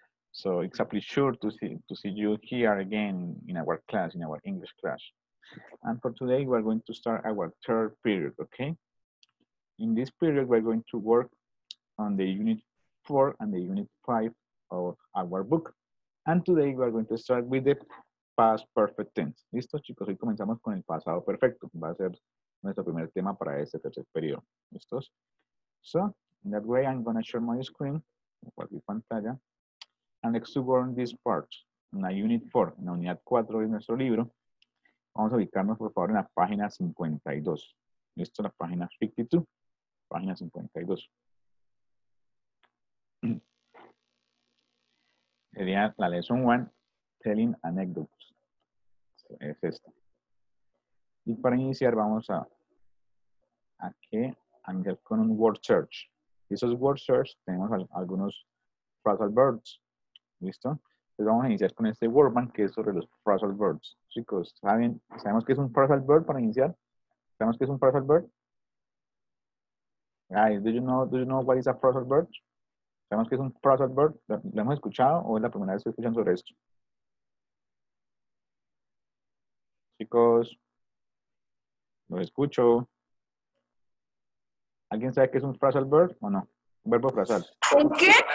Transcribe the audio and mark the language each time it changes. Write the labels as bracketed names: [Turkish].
[English] So it's a pleasure to see you here again in our class, in our English class. And for today, we're going to start our third period, okay? In this period, we're going to work on the unit 4 and the unit 5 of our book. And today, we're going to start with the past perfect tense. [Spanish] ¿Listo, chicos? Hoy comenzamos con el pasado perfecto. Va a ser nuestro primer tema para este tercer periodo. ¿Listos? [English] So, in that way, I'm going to share my screen, mi pantalla. And next to work on this part, in a unit 4, [Spanish] en la unidad 4 de nuestro libro, vamos a ubicarnos, por favor, en la página 52. ¿Listo? La página 52. Página 52. Sería la lesson 1, telling anecdotes. Es esta. Y para iniciar, vamos a que empezar con un word search. Y esos word search tenemos algunos phrasal verbs. ¿Listo? Entonces vamos a iniciar con este word bank que es sobre los phrasal verbs. Chicos, ¿saben? ¿Sabemos qué es un phrasal verb para iniciar? ¿Sabemos qué es un phrasal verb? [English] Guys, do you know what is a phrasal verb? [Spanish] ¿Sabemos qué es un phrasal verb? ¿Lo hemos escuchado o es la primera vez que escuchan sobre esto? Chicos, lo escucho. ¿Alguien sabe qué es un phrasal verb o no? Un verbo phrasal. ¿Un qué?